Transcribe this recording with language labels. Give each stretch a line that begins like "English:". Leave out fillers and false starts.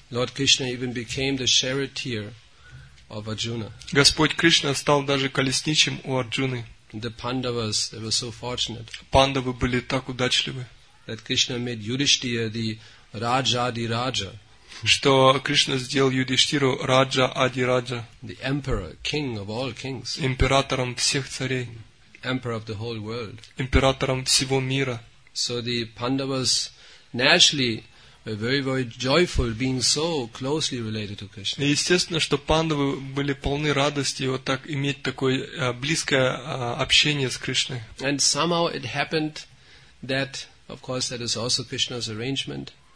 English: Lord Krishna even became the charioteer of Arjuna.
Russian: Господь Кришна стал даже колесничим у Арджуны.
English: The Pandavas, they were so fortunate.
Russian: Пандавы были так удачливы.
English: That Krishna made Yudhishthira the Rajadi Raja.
Russian: Что Кришна сделал Юдиштиру Раджа Ади Раджа.
English: The emperor, king of all kings.
Russian: Императором всех царей.
English: Emperor of the whole world.
Russian: Императором всего мира.
English: So the Pandavas naturally were very, very joyful being so closely related to Krishna.
Russian: И естественно, что Пандавы были полны радости вот так иметь такое близкое общение с Кришной.
English: And somehow it happened that, of course, that is also Krishna's arrangement.